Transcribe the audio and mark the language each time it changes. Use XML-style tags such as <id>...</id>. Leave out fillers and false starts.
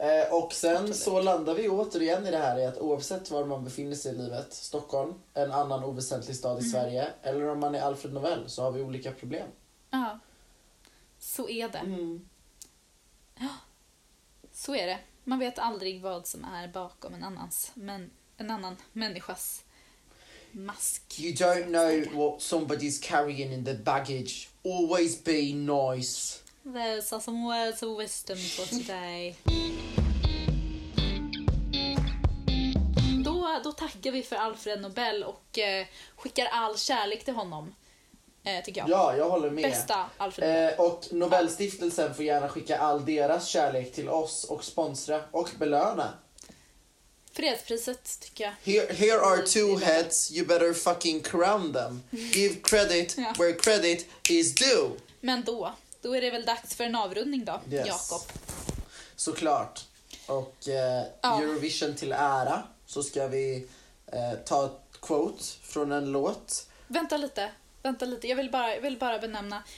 <sv>Och sen så landar vi återigen i det här, i att oavsett var man befinner sig i livet, Stockholm, en annan oväsentlig stad i Sverige, eller om man är Alfred Nobel, så har vi olika problem. Ja, så är det. Så är det. Man vet aldrig vad som är bakom en annans, men en annan människas mask.</sv> <en>You don't know what somebody's carrying in the baggage. Always be nice. Those are some words of wisdom for today.</en> <sv>Då tackar vi för Alfred Nobel och skickar all kärlek till honom, tycker jag. Ja, jag håller med. Bästa Alfred Nobel. Och Nobelstiftelsen får gärna skicka all deras kärlek till oss och sponsra och belöna. Fredspriset, tycker jag.</sv> <en>Here are two heads, you better fucking crown them. Give credit where credit is due.</en> <sv>Men då är det väl dags för en avrundning då, yes. Jakob. Såklart. Och Eurovision till ära. Så ska vi ta ett quote från en låt. Vänta lite. Jag vill bara benämna.</sv>